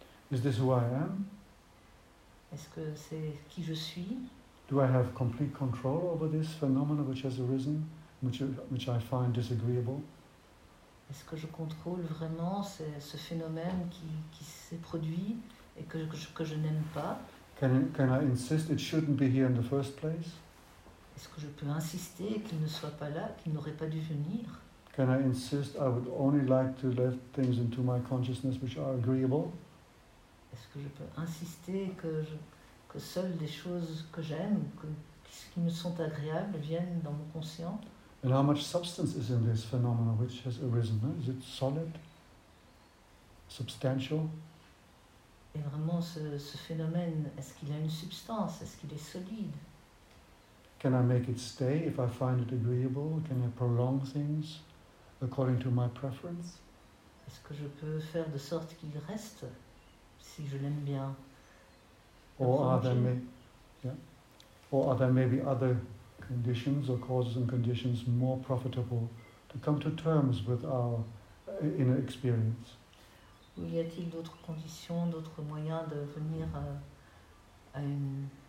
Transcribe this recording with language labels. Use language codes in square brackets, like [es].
[en] is this who I am? [fr] Est-ce que c'est qui je suis? [en] Do I have complete control over this phenomenon which has arisen, which I find disagreeable? [fr] Est-ce que je contrôle vraiment ce phénomène qui s'est produit et que je n'aime pas? [en] Can I insist it shouldn't be here in the first place? [fr] Est-ce que je peux insister qu'il ne soit pas là, qu'il n'aurait pas dû venir? [en] Can I insist I would only like to let things into my consciousness which are agreeable? [fr] Est-ce que je peux insister que seules des choses que j'aime, qui me sont agréables, viennent dans mon conscient? [en] And how much substance is in this phenomenon which has arisen? Is it solid? Substantial? [fr] Et vraiment ce phénomène, est-ce qu'il a une substance? Est-ce qu'il est solide? [en] Can I make it stay if I find it agreeable? Can I prolong things according to my preference? [fr] Est-ce que je peux faire de sorte qu'il reste si je l'aime bien? [en] Or are there maybe other conditions or causes and conditions more profitable to come to terms with our inner experience? [fr] Ou y a-t-il d'autres conditions, d'autres moyens de venir à une